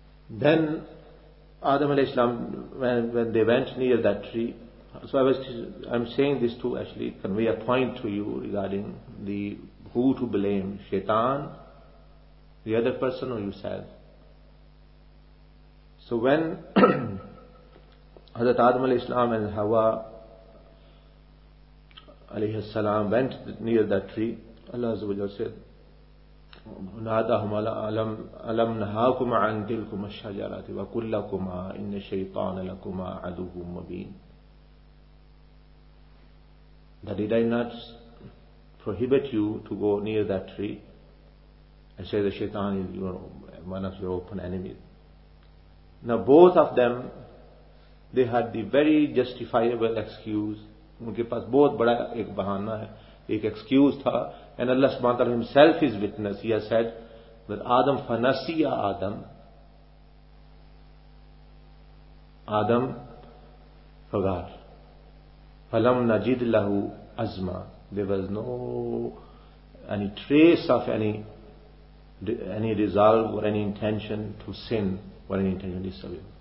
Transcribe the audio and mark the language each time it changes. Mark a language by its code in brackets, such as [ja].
[en] Then Adam alayhi salam, when they went near that tree, so I'm saying this to actually convey a point to you regarding the who to blame, shaitan, the other person, or yourself. So when Hazrat Adam alayhi salam and Hawa alayhi salam went near that tree, Allah azza wa jalla said, [ar] نادهم ألم نهاكما عن تلكما الشجرة وقل لكما إن الشيطان لكما عدو مبين. [en] Did I not prohibit you to go near that tree? I say the shaitan is your, one of your open enemies. Now both of them, they had the very justifiable excuse. [hi] उनके पास बहुत बड़ा एक बहाना है, एक excuse था. [en] And Allah subhanahu wa ta'ala himself is witness. He has said that Adam [ar] fanasiya Adam. [en] Adam forgot. [ar] Falam najid lahu azma. [en] There was no any trace of any resolve or any intention to sin or any intention to disobey.